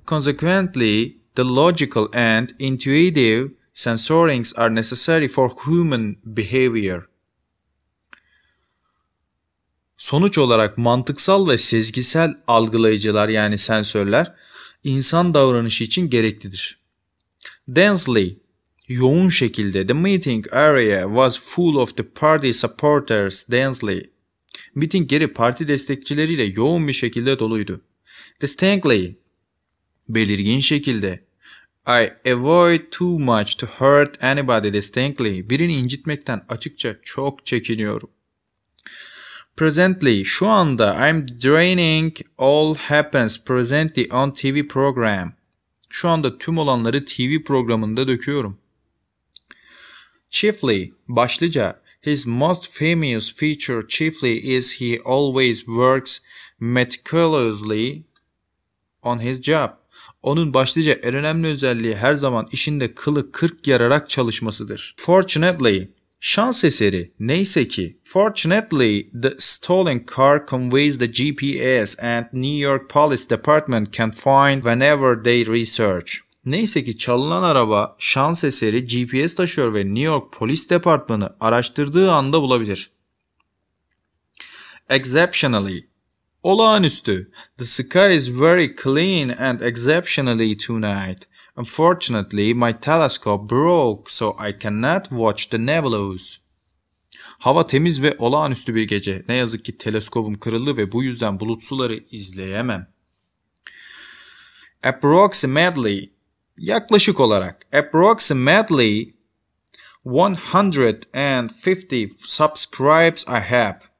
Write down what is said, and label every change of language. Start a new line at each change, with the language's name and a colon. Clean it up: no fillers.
English: Consequently, the logical and intuitive sensorings are necessary for human behavior.
Turkish: Sonuç olarak mantıksal ve sezgisel algılayıcılar yani sensörler insan davranışı için gereklidir.
English: Densely,
Turkish: yoğun şekilde.
English: The meeting area was full of the party supporters densely.
Turkish: Meeting yeri parti destekçileriyle yoğun bir şekilde doluydu.
English: Distinctly,
Turkish: belirgin şekilde.
English: I avoid too much to hurt anybody distinctly.
Turkish: Birini incitmekten açıkça çok çekiniyorum.
English: Presently,
Turkish: şu anda
English: I'm draining all happens presently on TV program.
Turkish: Şu anda tüm olanları TV programında döküyorum.
English: Chiefly,
Turkish: başlıca.
English: His most famous feature chiefly is he always works meticulously on his job.
Turkish: Onun başlıca en önemli özelliği her zaman işinde kılı kırk yararak çalışmasıdır.
English: Fortunately,
Turkish: şans eseri, neyse ki.
English: Fortunately, the stolen car conveys the GPS and New York Police Department can find whenever they research.
Turkish: Neyse ki çalınan araba şans eseri GPS taşıyor ve New York Polis Departmanı araştırdığı anda bulabilir.
English: Exceptionally,
Turkish: olağanüstü.
English: The sky is very clean and exceptionally tonight. Unfortunately, my telescope broke so I cannot watch the nebulas.
Turkish: Hava temiz ve olağanüstü bir gece. Ne yazık ki teleskobum kırıldı ve bu yüzden bulutsuları izleyemem.
English: Approximately,
Turkish: yaklaşık olarak.
English: Approximately 150 subscribers I have.